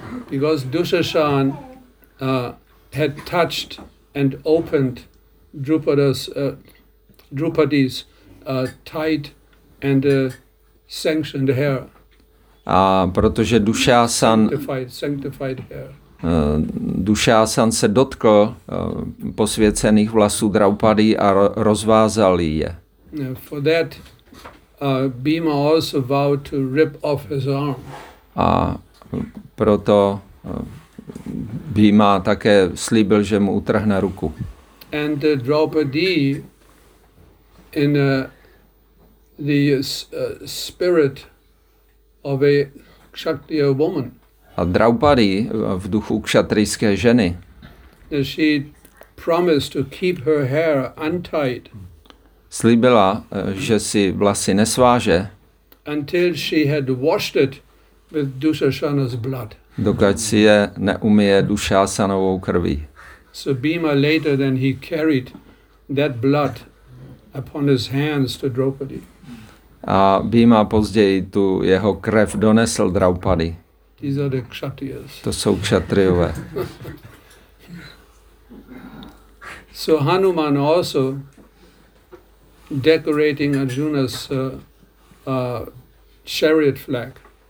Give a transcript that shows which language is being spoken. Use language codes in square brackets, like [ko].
[en] Because Dushasan had touched and opened Drupadi's tight and sanctioned hair. [cs] A protože Dushasan se dotkl posvěcených vlasů Draupadi a rozvázal je. [en] For that, Bhima also vowed to rip off his arm. [cs] A proto Bhima také slíbil, že mu utrhne ruku. [en] And Draupadi in the spirit of a kshatriya woman. [cs] A Draupadi v duchu kšatrijské ženy. [en] She promised to keep her hair untied. [cs] Slíbila, že si vlasy nesváže. [en] Until she had washed it with Dushasana's blood. [cs] Dokud si je neumije Dushasanovou krví. [en] So Bhima later then he carried that blood upon his hands to Draupadi. [cs] A Bhima později tu jeho krev donesl Draupadi. [en] These are the kshatriyas. [cs] To jsou kšatriové. [en] So Hanuman also decorating Arjuna's chariot flag.